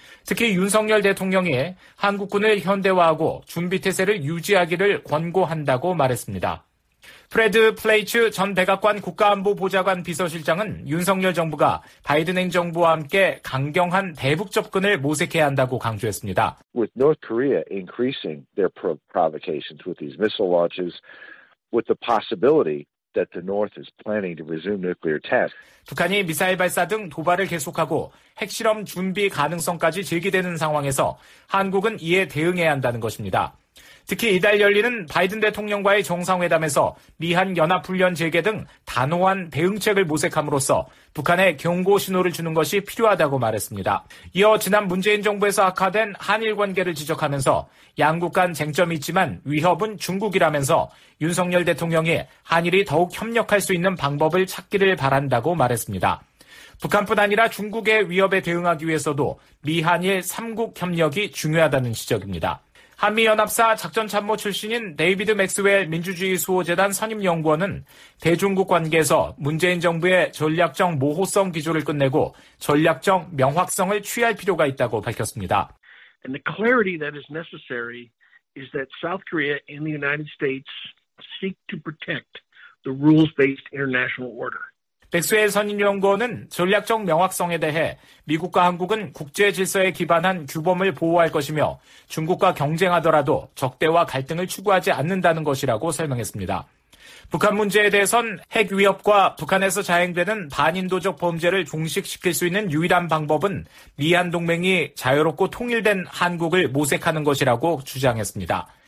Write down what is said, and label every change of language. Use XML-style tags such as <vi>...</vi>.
<ko>특히 윤석열 대통령이 한국군을 현대화하고 준비태세를 유지하기를 권고한다고 말했습니다. 프레드 플레이츠 전 백악관 국가안보보좌관 비서실장은 윤석열 정부가 바이든 행정부와 함께 강경한 대북 접근을 모색해야 한다고 강조했습니다.</ko> <en>With North Korea increasing their provocations with these missile launches, with the possibility that the North is planning to resume nuclear tests.</en> <ko>북한이 미사일 발사 등 도발을 계속하고 핵실험 준비 가능성까지 제기되는 상황에서 한국은 이에 대응해야 한다는 것입니다. 특히 이달 열리는 바이든 대통령과의 정상회담에서 미한 연합훈련 재개 등 단호한 대응책을 모색함으로써 북한에 경고 신호를 주는 것이 필요하다고 말했습니다. 이어 지난 문재인 정부에서 악화된 한일 관계를 지적하면서 양국 간 쟁점이 있지만 위협은 중국이라면서 윤석열 대통령이 한일이 더욱 협력할 수 있는 방법을 찾기를 바란다고 말했습니다. 북한뿐 아니라 중국의 위협에 대응하기 위해서도 미한일 3국 협력이 중요하다는 지적입니다. 한미연합사 작전참모 출신인 데이비드 맥스웰 민주주의 수호재단 선임연구원은 대중국 관계에서 문재인 정부의 전략적 모호성 기조를 끝내고 전략적 명확성을 취할 필요가 있다고 밝혔습니다.</ko> <en>And the clarity that is necessary is that South Korea and the United States seek to protect the rules-based international order.</en> <ko>백수엘 선임연구원은 전략적 명확성에 대해 미국과 한국은 국제 질서에 기반한 규범을 보호할 것이며 중국과 경쟁하더라도 적대와 갈등을 추구하지 않는다는 것이라고 설명했습니다. 북한 문제에 대해선 핵 위협과 북한에서 자행되는 반인도적 범죄를 종식시킬 수 있는 유일한 방법은 미한 동맹이 자유롭고 통일된 한국을 모색하는 것이라고 주장했습니다.</ko>